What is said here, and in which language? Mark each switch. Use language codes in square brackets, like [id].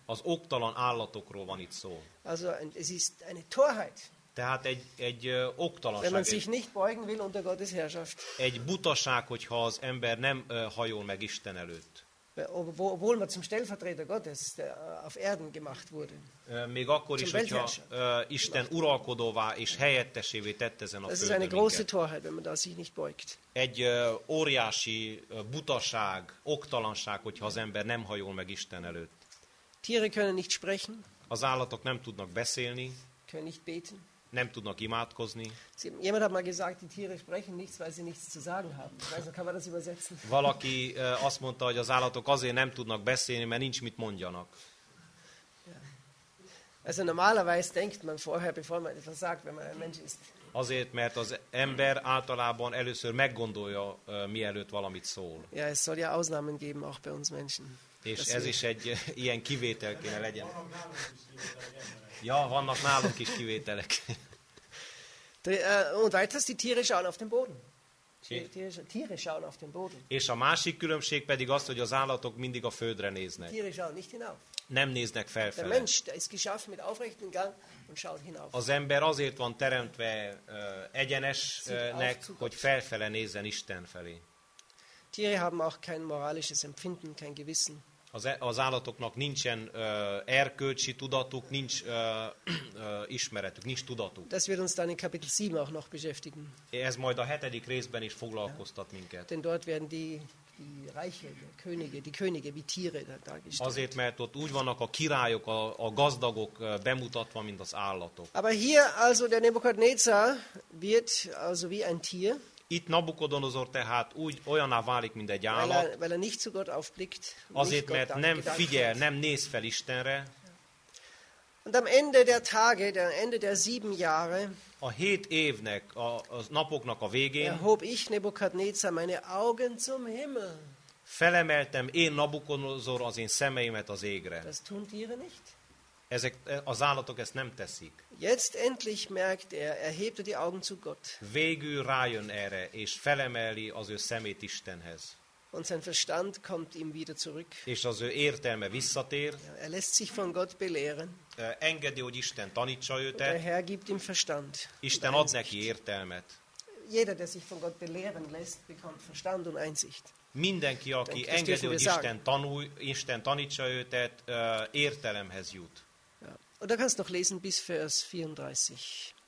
[hu] Az oktalan állatokról van itt szó. [de] Also es ist eine Torheit. [hu] Tehát egy oktalanság. [de] Wenn man sich nicht beugen will unter Gottes Herrschaft. [hu] Egy butaság, hogyha az ember nem hajol meg Isten előtt. [de] Obwohl man zum Stellvertreter Gottes auf Erden gemacht wurde. [hu] Még akkor is, hogyha Isten uralkodóvá és helyettesévé tett ezen a földön. [de] Das ist eine große Torheit, wenn man da sich nicht beugt. [hu] Egy óriási butaság, oktalanság, hogyha az ember nem hajol meg Isten előtt. [de] Tiere können nicht sprechen. [hu] Az állatok nem tudnak beszélni. [de] Können nicht beten. [hu] Nem tudnak imádkozni. [de] Jemand hat mal gesagt, die Tiere sprechen nichts, weil sie nichts zu sagen haben. Also kann man das übersetzen. [hu] Valaki azt mondta, hogy az állatok azért nem tudnak beszélni, mert nincs mit mondjanak. [de] Also normalerweise denkt man vorher, bevor man etwas sagt, wenn man ein Mensch ist. [hu] Azért, mert az ember általában először meggondolja, mielőtt valamit szól. [de] Ja, es soll ja Ausnahmen geben, auch bei uns Menschen. [hu] És ez is egy ilyen kivétel kéne legyen. Ja, vannak nálunk is kivételek. [de] Und weiters, die Tiere schauen auf den Boden. Tiere schauen auf den Boden. [hu] És a másik különbség pedig az, hogy az állatok mindig a földre néznek. [de] Tiere schauen nicht hinauf. [hu] Nem néznek felfelé. [de] Der Mensch ist geschaffen mit aufrechten Gang und schaut hinauf. [hu] Az ember azért van teremtve egyenesnek, hogy felfele nézzen Isten felé. [de] Tiere haben auch kein moralisches Empfinden, kein Gewissen. [hu] Az állatoknak nincsen erkölcsi tudatuk, nincs ismeretük, nincs tudatuk. [de] Das wird uns dann in Kapitel 7 auch noch beschäftigen. [hu] Ez majd a hetedik részben is foglalkoztat minket. [de] Denn dort werden die Reiche, die Könige, wie Tiere dargestellt. [hu] Azért, mert ott úgy vannak a királyok, a gazdagok bemutatva, mint az állatok. [de] Aber hier also der Nebukadnezar wird also wie ein Tier. [hu] Itt Nabukodonozor tehát úgy olyanná válik, mint egy állat, [de] weil er nicht zu Gott aufblickt, [hu] azért, mert Gott nem figyel, hat. Nem néz fel Istenre. [de] Und am Ende der Tage, der Ende der sieben Jahre, [hu] a hét évnek, a napoknak a végén, [de] erhob ich Nebukadnezar meine Augen zum Himmel. [hu] Felemeltem én Nabukodonozor az én szemeimet az égre. [de] Das tun Tiere nicht. [hu] Ezek, az állatok ezt nem teszik. [de] Jetzt endlich merkt er hebt die Augen zu Gott. [hu] Végül rájön erre, és felemeli az ő szemét Istenhez. [de] Und sein Verstand kommt ihm wieder zurück. [hu] És az ő értelme visszatér. [de] Er lässt sich von Gott belehren. [hu] Engedi, hogy Isten tanítsa őt. [de] Der Herr gibt ihm Verstand. [hu] Isten ad neki értelmet. [de] Jeder, der sich von Gott belehren lässt, bekommt Verstand und Einsicht. [hu] Mindenki, aki engedi, hogy Isten tanul, Isten tanítsa őt, értelemhez jut. [de] Und da kannst du noch lesen bis Vers 34.